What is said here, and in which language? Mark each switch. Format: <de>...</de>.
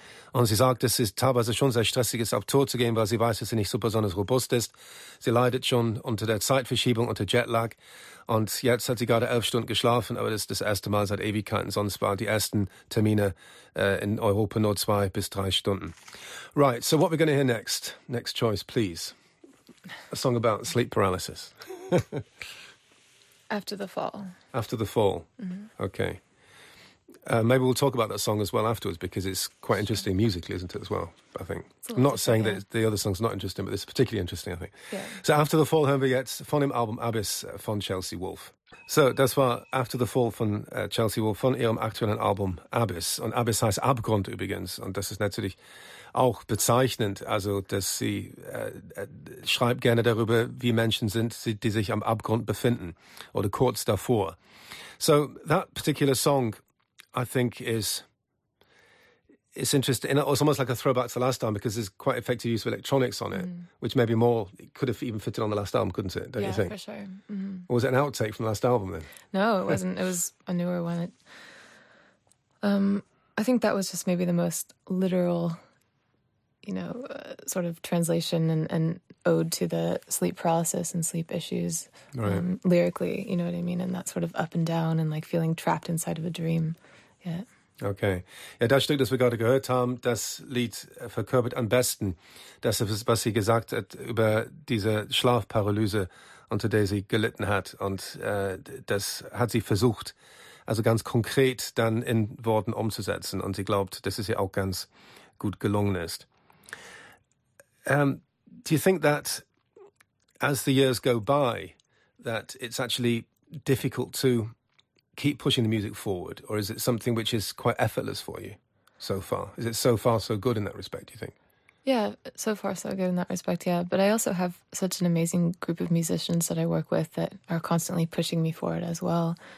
<de>Und sie sagt, es ist teilweise schon sehr stressig, auf Tour zu gehen, weil sie weiß, dass sie nicht so besonders robust ist. Sie leidet schon unter der Zeitverschiebung, unter Jetlag. Und jetzt hat sie gerade 11 Stunden geschlafen, aber das ist das erste Mal seit Ewigkeiten. Sonst waren die ersten Termine in Europa nur 2 bis 3 Stunden.</de> <en>Right, so what we're going to hear next? Next choice, please. A song about sleep paralysis. After the Fall. After the Fall. Mm-hmm. Okay. Maybe we'll talk about that song as well afterwards because it's quite interesting musically, isn't it, as well, I think. I'm not saying that the other song's not interesting, but this is particularly interesting, I think. Yeah.</en> <de>So After the Fall hören wir jetzt von dem Album Abyss von Chelsea Wolfe. So das war After the Fall von Chelsea Wolfe von ihrem aktuellen Album Abyss. Und Abyss heißt Abgrund übrigens. Und das ist natürlich auch bezeichnend, also dass sie schreibt gerne darüber, wie Menschen sind, die sich am Abgrund befinden oder kurz davor.</de> <en>So that particular song, I think, it's interesting. It's almost like a throwback to the last album because there's quite effective use of electronics on it, which maybe more could have even fitted on the last album, couldn't it? Yeah, you think? For sure. Or was it an outtake from the last album then? No, it wasn't. It was a newer one. I think that was just maybe the most literal, you know, sort of translation and ode to the sleep paralysis and sleep issues, right. Lyrically, you know what I mean? And that sort of up and down and like feeling trapped inside of a dream. Okay.</en> <de>Ja, das Stück, das wir gerade gehört haben, das Lied verkörpert am besten das, was sie gesagt hat über diese Schlafparalyse, unter der sie gelitten hat. Und das hat sie versucht, also ganz konkret dann in Worten umzusetzen. Und sie glaubt, dass es ihr auch ganz gut gelungen ist.</de> <en>Do you think that as the years go by, that it's actually difficult to keep pushing the music forward, or is it something which is quite effortless for you so far? Is it so far so good in that respect, do you think? Yeah, so far so good in that respect, yeah. But I also have such an amazing group of musicians that I work with that are constantly pushing me forward as well.</en>